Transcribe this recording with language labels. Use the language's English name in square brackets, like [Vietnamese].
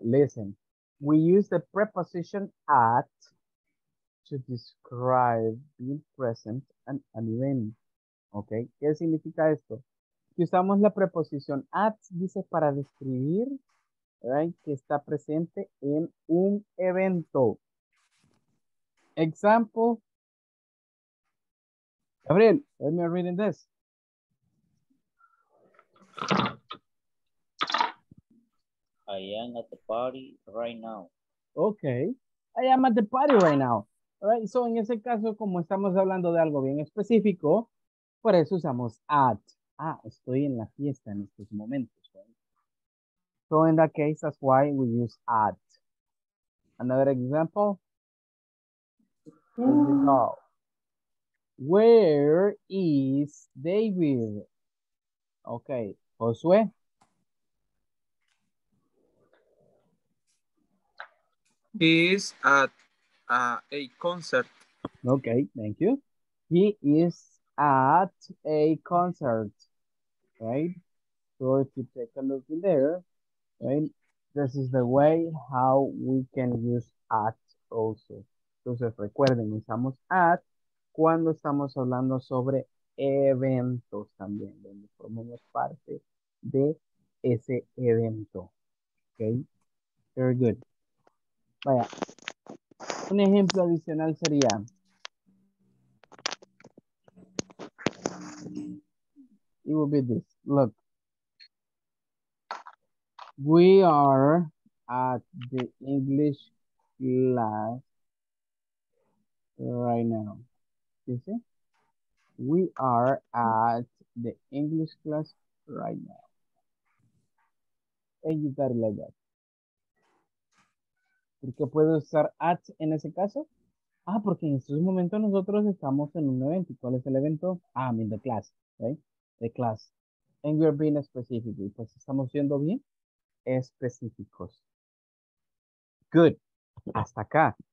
[English] Listen, we use the preposition at to describe being present and an event, okay? [Spanish] ¿Qué significa esto? Si usamos la preposición at, dice para describir, right, que está presente en un evento. [English] Example. Gabriel, let me read this. I am at the party right now. Okay. I am at the party right now. All right. [Spanish] So, en ese caso, como estamos hablando de algo bien específico, por eso usamos at. Ah, estoy en la fiesta en estos momentos. [English] Right? So, in that case, that's why we use at. Another example. Where is David? Okay. Josué. He is at a concert. Okay, thank you. He is at a concert, right? So if you take a look in there, right? This is the way how we can use at also. [Spanish] Entonces recuerden, usamos at cuando estamos hablando sobre eventos también, donde formamos parte de ese evento. [English] Okay, very good. [Spanish] Vaya, un ejemplo adicional sería. [English] It will be this. Look. We are at the English class right now. You see? We are at the English class right now. And you better like that. [Spanish] ¿Por qué puedo usar at en ese caso? Ah, porque en estos momentos nosotros estamos en un evento. ¿Y cuál es el evento? [English] Ah, I mean the class, right? The class. And we're being specific. [Spanish] Pues estamos siendo bien específicos. [English] Good. [Spanish] Hasta acá.